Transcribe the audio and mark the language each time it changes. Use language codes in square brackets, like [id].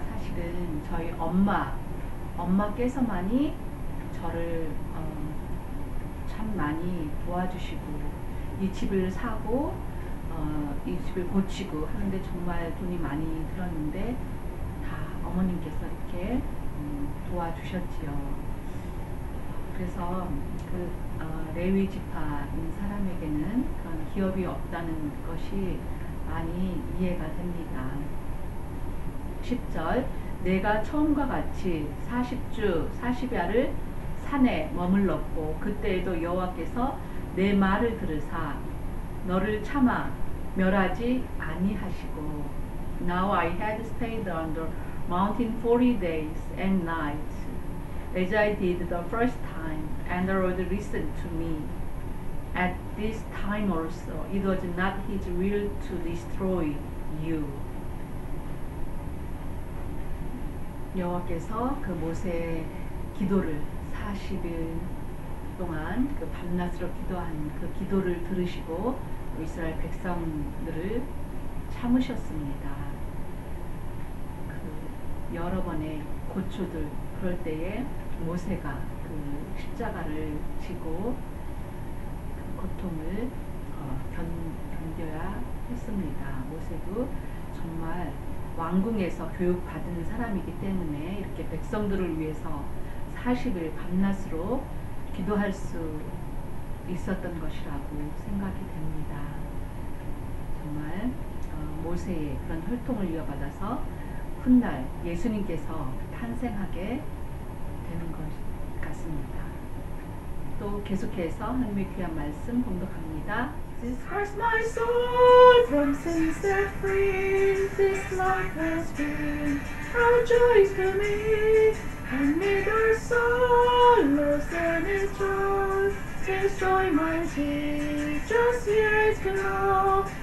[ko] 사실은 저희 엄마께서만이 저를 참 많이 도와주시고 이 집을 사고 이 집을 고치고 하는데 정말 돈이 많이 들었는데 다 어머님께서 이렇게 도와주셨지요. 그래서 그 레위 지파인 사람에게는 그런 기업이 없다는 것이 많이 이해가 됩니다. 10절 내가 처음과 같이 40주 40야를 산에 머물렀고 그때에도 여호와께서 내 말을 들으사 너를 참아 멸하지 아니하시고 [en] Now I had stayed on the mountain 40 days and nights as I did the first time and the Lord listened to me at this time also it was not his will to destroy you [ko] 여호와께서 그 모세의 기도를 40일 동안 그 밤낮으로 기도한 그 기도를 들으시고 이스라엘 백성들을 참으셨습니다. 그 여러 번의 고초들 그럴 때에 모세가 그 십자가를 지고 그 고통을 견뎌야 했습니다. 모세도 정말 왕궁에서 교육받은 사람이기 때문에 이렇게 백성들을 위해서 40일 밤낮으로 기도할 수 있었던 것이라고 생각이 됩니다. 정말 모세의 그런 혈통을 이어받아서 훗날 예수님께서 탄생하게 되는 것 같습니다. 또 계속해서 하나님의 귀한 말씀 봉독합니다. [en] This has my soul from sin set free. This life has been a joy to me. And made our soul lost and its joy. This joy my tears just yet to know.